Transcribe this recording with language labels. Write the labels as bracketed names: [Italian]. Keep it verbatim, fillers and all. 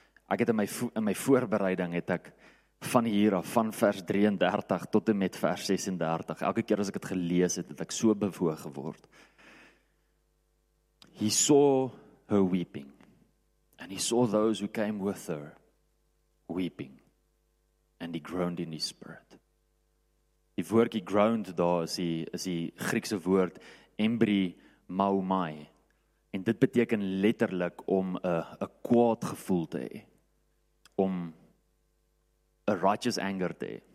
[Afrikaans] Ek het in my, in my voorbereiding het ek van hier af, van vers [English] thirty-three [Afrikaans] tot en met vers [English] thirty-six, [Afrikaans] elke keer as ek het gelees het, het ek so bewoog geword. [English] He saw her weeping, and he saw those who came with her weeping, and he groaned in his spirit. [Afrikaans] Die woordjie groaned daar is die, is die Griekse woord embrimaomai, en dit beteken letterlik om 'n 'n kwaad gevoel te hê, om 'n [English] righteous anger [Afrikaans] te hê.